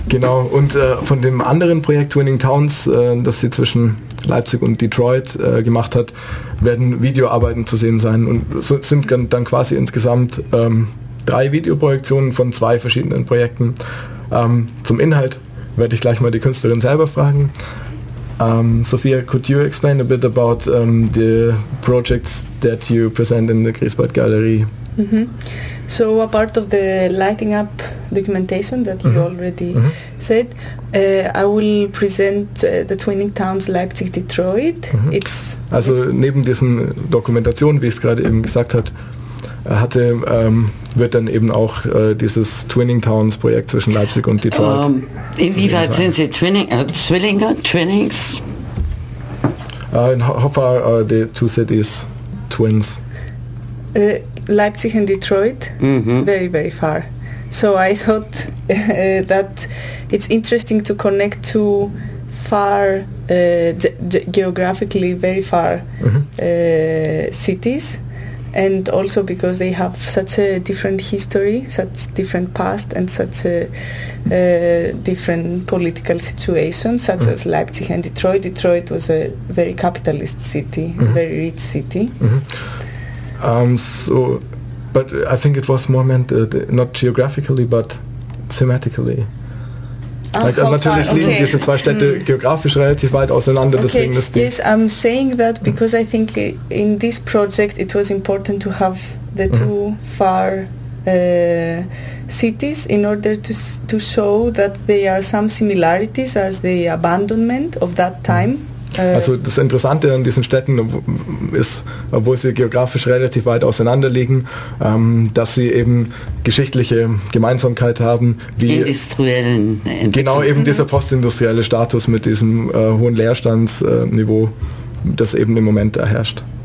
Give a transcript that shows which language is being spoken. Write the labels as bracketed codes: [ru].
[de] Genau, und von dem anderen Projekt Twinning Towns, das sie zwischen Leipzig und Detroit gemacht hat, werden Videoarbeiten zu sehen sein und so sind dann quasi insgesamt 3 Videoprojektionen von 2 verschiedenen Projekten. Zum Inhalt werde ich gleich mal die Künstlerin selber fragen. [en] Sophia, could you explain a bit about the projects that you present in the Griesbad Gallery? Mm-hmm. So a part of the lighting up documentation that you mm-hmm. already mm-hmm. said, I will present the Twinning Towns Leipzig-Detroit. Mm-hmm. [de] Also neben diesen Dokumentationen, wie ich es gerade eben gesagt hatte, wird dann eben auch dieses Twinning Towns Projekt zwischen Leipzig und Detroit. Inwieweit sind sie Zwillinge, Twinnings? [en] In how far are the two cities twins? Leipzig and Detroit, mm-hmm. very, very far. So I thought that it's interesting to connect two far, geographically very far mm-hmm. Cities. And also because they have such a different history, such different past, and such a different political situation, such mm-hmm. as Leipzig and Detroit. Detroit was a very capitalist city, mm-hmm. very rich city. Mm-hmm. So, but I think it was more meant not geographically, but thematically. Like, [de] natürlich okay. liegen diese zwei Städte geografisch relativ weit auseinander, okay. deswegen ist die... [en] Yes, I'm saying that because I think in this project it was important to have the two far cities in order to show that there are some similarities as the abandonment of that time. [de] Also das Interessante an diesen Städten ist, obwohl sie geografisch relativ weit auseinander liegen, dass sie eben geschichtliche Gemeinsamkeit haben, wie industriellen Entwicklungen. Genau, eben dieser postindustrielle Status mit diesem hohen Leerstandsniveau, das eben im Moment da herrscht.